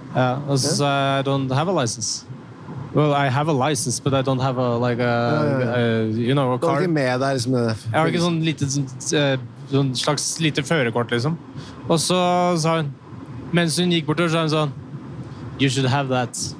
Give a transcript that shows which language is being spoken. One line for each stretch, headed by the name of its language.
Norwegian: Ja, og så sa jeg,
English: I don't have a license. Well, I have a license, but I don't have a car.
Norwegian: Du har ikke med deg, liksom. Jeg har ikke sånn lite, sånn slags lite førekort, liksom. Og så sa hun, mens hun gikk bort, så sa hun sånn,
English: you should have that.